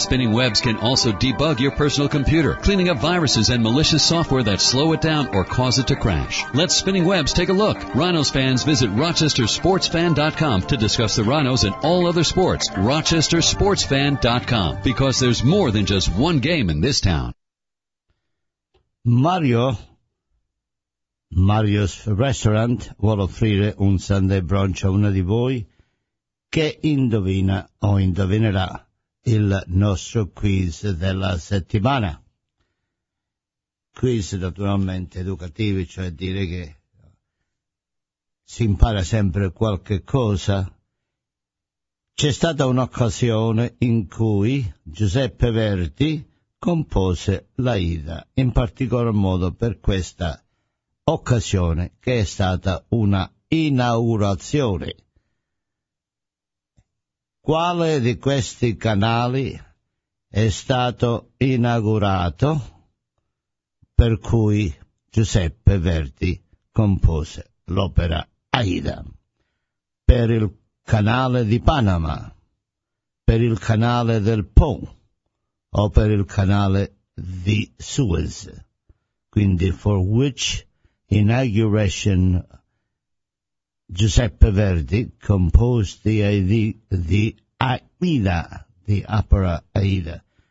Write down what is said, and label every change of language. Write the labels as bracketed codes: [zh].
[en] Spinning Web's can also debug your personal computer, cleaning up viruses and malicious software that slow it down or cause it to crash. Let Spinning Web's take a look. Rhinos fans, visit rochestersportsfan.com to discuss the Rhinos and all other sports. rochestersportsfan.com, because there's more than just one game in this town. [it] Mario's Restaurant vuole offrire un Sunday brunch a uno di voi che indovina o indovinerà il nostro quiz della settimana. Quiz naturalmente educativi, cioè dire che si impara sempre qualche cosa. C'è stata un'occasione in cui Giuseppe Verdi compose l'Aida, in particolar modo per questa occasione che è stata una inaugurazione. Quale di questi canali è stato inaugurato per cui Giuseppe Verdi compose l'opera Aida? Per il canale di Panama, per il canale del Po, o per il canale di Suez? Quindi, [en] for which inauguration Giuseppe Verdi composed the Aida, the opera Aida?